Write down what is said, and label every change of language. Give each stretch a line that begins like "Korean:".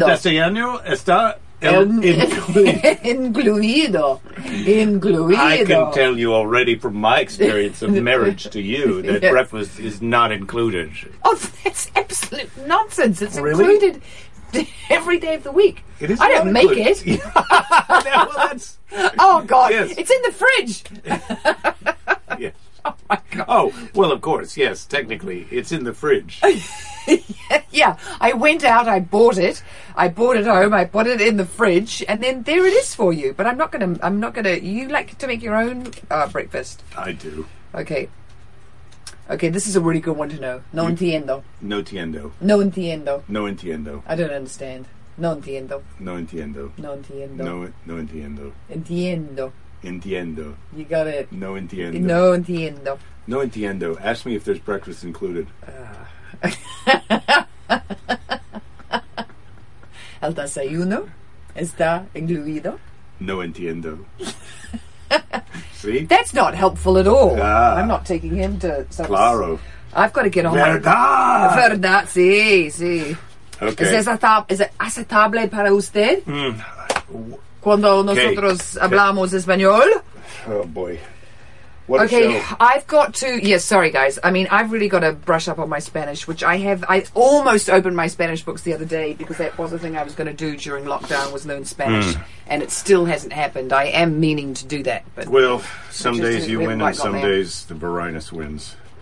Spanish: El desayuno está incluido. Incluido.
English: I can tell you already from my experience of marriage to you that yes. Breakfast is not included. Oh, that's absolute nonsense. It's really? Included. Every day of the week. It is. I don't make it. Yeah, well, that's, oh God. Yes. It's in the fridge. Yes. Oh my God. Oh, well, of course, yes, technically it's in the fridge. Yeah. I went out, I bought it home, I put it in the fridge, and then there it is for you. But I'm not gonna you like to make your own breakfast. I do. Okay. Okay, this is a really good one to know.
Spanish: No entiendo. No entiendo. No entiendo. No entiendo.
English: I don't understand.
Spanish: No entiendo. No entiendo. No entiendo. No entiendo. Entiendo. Entiendo.
English: You got it.
Spanish: No entiendo. No entiendo. No entiendo.
English: Ask me if there's breakfast included.
Spanish: El desayuno está incluido. No entiendo.
English: That's not helpful at all. I'm not taking him to...
Spanish: Claro.
English: I've got to get on...
Spanish: Verdad. Verdad. Sí, sí.
English: Okay. Is it
Spanish: aceptable para usted? Cuando nosotros hablamos español?
English: Oh, boy. What okay, a show. I've got to... Yes, yeah, sorry, guys. I mean, I've really got to brush up on my Spanish, which I have... I almost opened my Spanish books the other day because that was the thing I was going to do during lockdown was learn Spanish, and it still hasn't happened. I am meaning to do that, but... Well, some days you win and some days the Varinus wins.